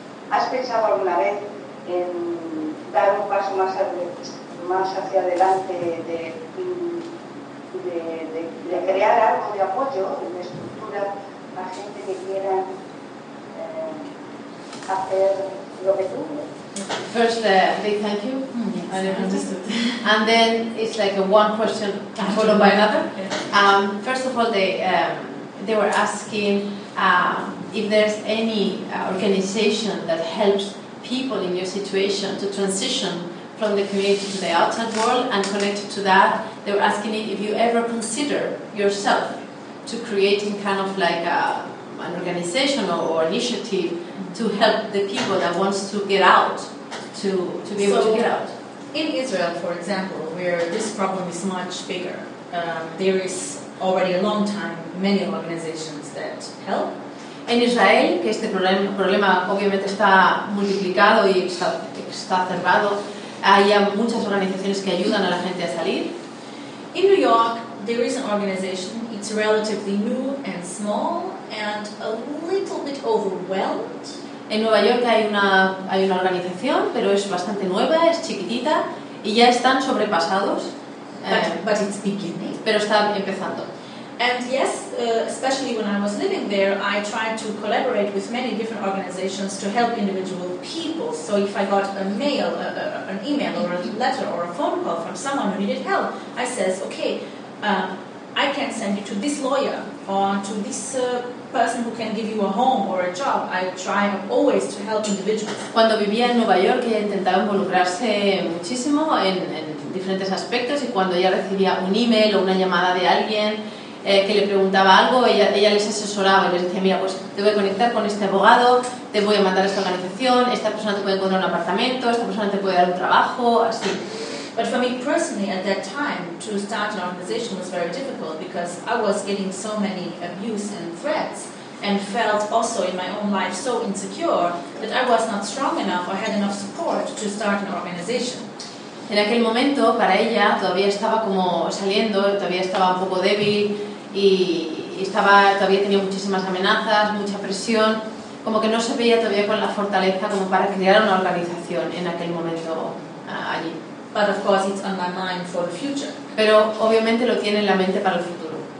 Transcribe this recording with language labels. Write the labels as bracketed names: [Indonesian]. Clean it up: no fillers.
[Spanish] ¿Has pensado alguna vez en dar un paso más hacia adelante, de crear algo de apoyo, de estructura a gente que quiera hacer lo que tú? [English] First, big thank you. Yes, I never understood. And then it's like a one question followed by another. Yes. First of all, they were asking if there's any organization that helps people in your situation to transition from the community to the outside world, and connected to that, they were asking if you ever consider yourself to creating kind of like an organization or initiative to help the people that wants to get out, to be able to get out. In Israel, for example, where this problem is much bigger, there is already a long time many organizations that help. [Spanish] En Israel, que este problema obviamente está multiplicado y está cerrado, hay muchas organizaciones que ayudan a la gente a salir. [English] In New York, there is an organization. It's relatively new and small and a little bit overwhelmed. [Spanish] En Nueva York hay una organización, pero es bastante nueva, es chiquitita y ya están sobrepasados. [English] But it's beginning. [Spanish] Pero está empezando. [English] And yes, especially when I was living there, I tried to collaborate with many different organizations to help individual people. So if I got a mail, an email or a letter or a phone call from someone who needed help, I says, okay, I can send you to this lawyer or to this person who can give you a home or a job. I try always to help individuals. [Spanish] Cuando vivía en Nueva York, ella intentaba involucrarse muchísimo en diferentes aspectos, y cuando ella recibía un email o una llamada de alguien que le preguntaba algo, ella les asesoraba y les decía, mira, pues te voy a conectar con este abogado, te voy a mandar a esta organización, esta persona te puede encontrar un apartamento, esta persona te puede dar un trabajo, así. [English] But for me personally, at that time, to start an organization was very difficult because I was getting so many abuse and threats and felt also in my own life so insecure that I was not strong enough or had enough support to start an organization. [Spanish] En aquel momento, para ella, todavía estaba como saliendo, todavía estaba un poco débil y todavía tenía muchísimas amenazas, mucha presión, como que no se veía todavía con la fortaleza como para crear una organización en aquel momento allí. [English] But of course it's on my mind for the future. [Spanish] Pero obviamente lo tiene en la mente para el futuro.